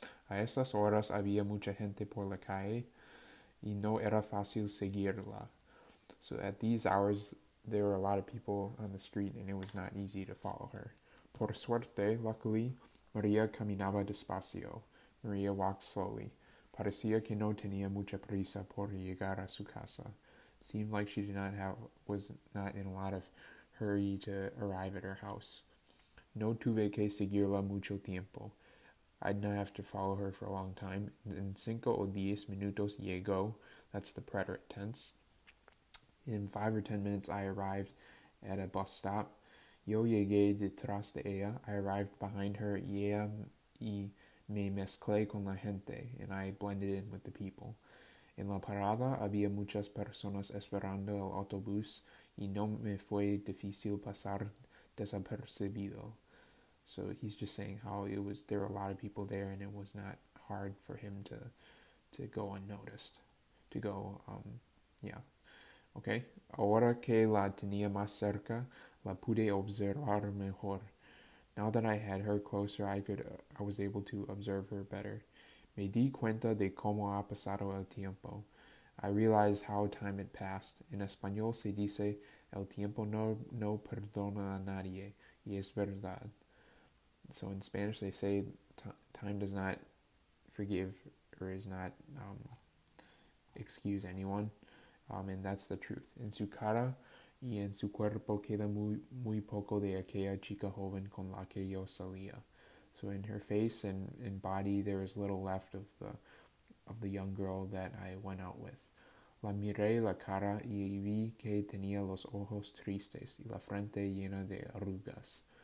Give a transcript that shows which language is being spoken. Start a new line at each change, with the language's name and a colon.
Spanish: A esas horas había mucha gente por la calle y no era fácil seguirla.
English: So at these hours, there were a lot of people on the street and it was not easy to follow her.
Spanish: Por suerte,
English: luckily,
Spanish: María caminaba despacio.
English: María walked slowly.
Spanish: Parecía que no tenía mucha prisa por llegar a su casa.
English: Seemed like she did not have, was not in a lot of hurry to arrive at her house.
Spanish: No tuve que seguirla mucho tiempo.
English: I'd not have to follow her for a long time. In
Spanish: 5 o 10 minutos llego,
English: that's the preterite tense. In 5 or 10 minutes, I arrived at a bus stop.
Spanish: Yo llegué detrás de ella.
English: I arrived behind her.
Spanish: Ella y me mezclé con la gente,
English: and I blended in with the people.
Spanish: En la parada había muchas personas esperando el autobús, y no me fue difícil pasar desapercibido.
English: So he's just saying how it was, there were a lot of people there and it was not hard for him to go unnoticed, to go, Okay.
Spanish: Ahora que la tenía más cerca, la pude observar mejor.
English: Now that I had her closer, I was able to observe her better.
Spanish: Me di cuenta de cómo ha pasado el tiempo.
English: I realized how time had passed.
Spanish: En español se dice, el tiempo no perdona a nadie. Y es verdad.
English: So in Spanish, they say time does not forgive or is not excuse anyone, and that's the truth.
Spanish: En su cara y en su cuerpo queda muy poco de aquella chica joven con la que yo salía.
English: So in her face and in body, there is little left of the young girl that I went out with.
Spanish: La miré la cara y vi que tenía los ojos tristes y la frente llena de arrugas.